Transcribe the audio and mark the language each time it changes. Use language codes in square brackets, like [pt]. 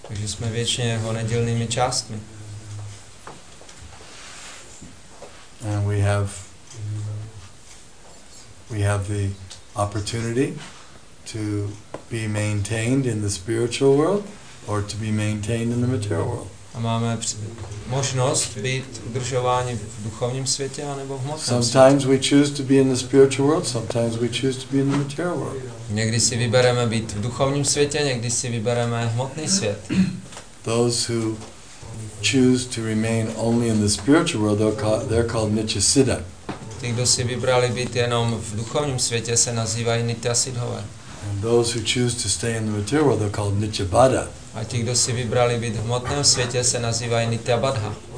[cs] Takže jsme věčně jeho nedělnými částmi. [en] And we have the opportunity to be maintained in the spiritual world or to be maintained in the material world. [cs] A máme možnost být udržováni v duchovním světě anebo v hmotném. [en] Sometimes we choose to be in the spiritual world, sometimes we choose to be in the material world. [cs] Někdy si vybereme být v duchovním světě, někdy si vybereme hmotný svět. [en] Those who choose to remain only in the spiritual world, they're called nityasiddha. [cs] Ti, kdo si vybrali být jenom v duchovním světě, se nazývají nityasiddhové. [en] And those who choose to stay in the material world, they're called nityabaddha. [cs] A ti, kdo si vybrali být v hmotném světě, se nazývají nityabaddha.